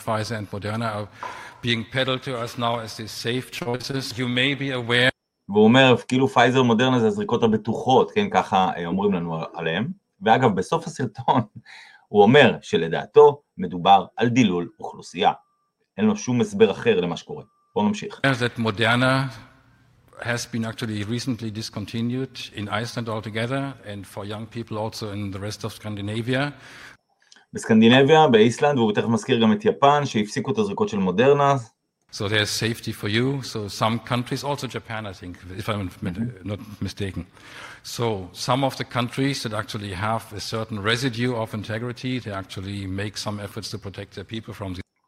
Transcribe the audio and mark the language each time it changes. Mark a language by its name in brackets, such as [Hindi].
[English] Pfizer and Moderna are being peddled to us now as the safe choices. You may be aware. [Hebrew] והוא אומר, כאילו פייזר ומודרנה זה הזריקות הבטוחות, כן, ככה אומרים לנו עליהם. ואגב, בסוף הסרטון הוא אומר שלדעתו מדובר על דילול אוכלוסייה. אין לו שום הסבר אחר למה שקורה. בואו נמשיך. [English] That Moderna has been actually recently discontinued in Iceland altogether and for young people also in the rest of Scandinavia. [Hebrew] בסקנדינביה, באיסלנד, והוא תכף מזכיר גם את יפן, שהפסיקו את הזריקות של מודרנה. [English] So there's safety for you. So some countries, also Japan, I think, if I'm not mistaken. So some of the countries that actually have a certain residue of integrity, they actually make some efforts to protect their people from this.